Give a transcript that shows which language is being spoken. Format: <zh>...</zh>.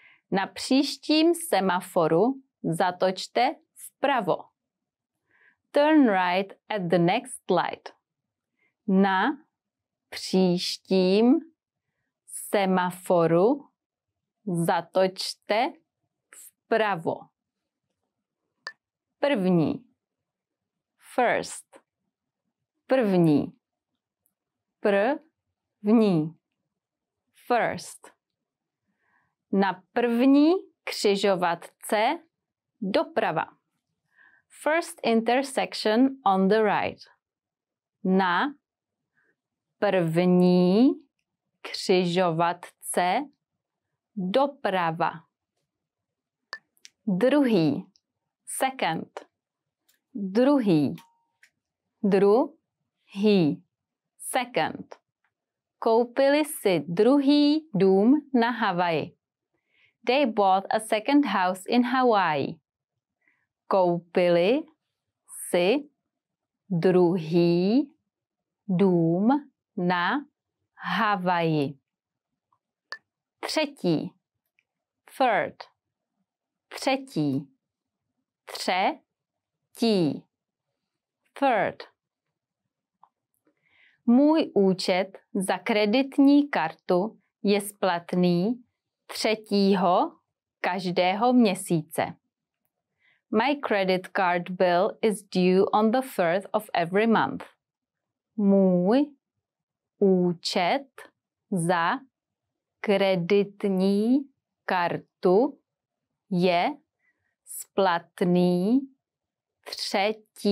<cs>Na příštím semaforu zatočte vpravo.</cs> <en>Turn right at the next light.</en> <cs>Na příštím semaforu zatočte vpravo. První. First. První. První. First. Na první křižovatce doprava.</cs> <en>First intersection on the right.</en> <cs>Na první křižovatce doprava. Druhý. Second. Druhý. Druhý. Second. Koupili si druhý dům na Havaji.</cs> <en>They bought a second house in Hawaii.</en> <cs>Koupili si druhý dům na Havaji. Třetí. third. Třetí. Třetí. Third. Můj účet za kreditní kartu je splatný 3. každého měsíce.</cs> <en>My credit card bill is due on the 3rd of every month.</en> <cs>Můj účet za kreditní kartu je splatný 3.</cs>